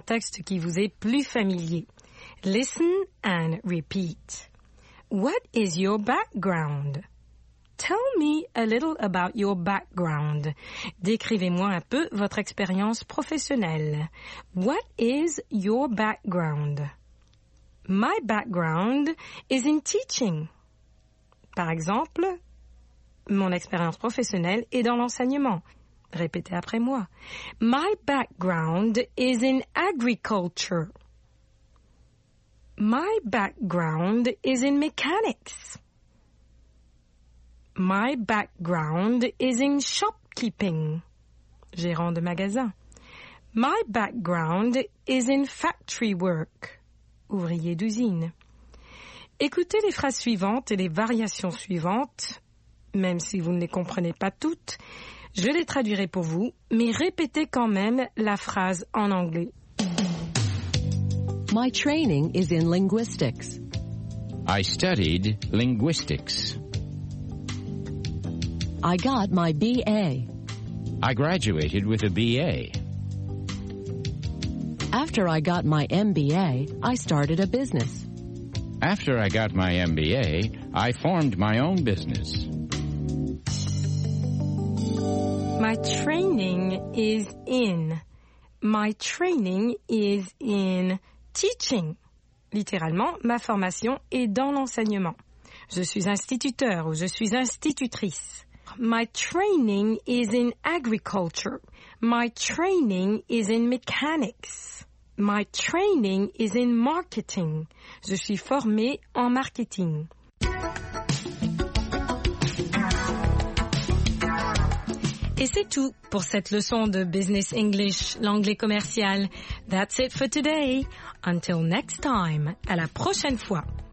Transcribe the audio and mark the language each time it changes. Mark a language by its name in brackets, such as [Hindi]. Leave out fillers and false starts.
[French] texte qui vous est plus familier. [English] Listen and repeat. What is your background? Tell me a little about your background. [French] Décrivez-moi un peu votre expérience professionnelle. [English] What is your background? My background is in teaching. [French] Par exemple, mon expérience professionnelle est dans l'enseignement. Répétez après moi. [English] My background is in agriculture. My background is in mechanics. My background is in shopkeeping. [French] Gérant de magasin. [English] My background is in factory work. [French] Ouvrier d'usine. Écoutez les phrases suivantes et les variations suivantes. Même si vous ne les comprenez pas toutes, je les traduirai pour vous, mais répétez quand même la phrase en anglais. [English] My training is in linguistics. I studied linguistics. I got my BA. I graduated with a BA. After I got my MBA, I started a business. After I got my MBA, I formed my own business. My training is in. My training is in teaching. [French] Littéralement, ma formation est dans l'enseignement. Je suis instituteur ou je suis institutrice. [English] My training is in agriculture. My training is in mechanics. My training is in marketing. [French] Je suis formée en marketing. Et c'est tout pour cette leçon de Business English, l'anglais commercial. [English] That's it for today. Until next time. [French] À la prochaine fois.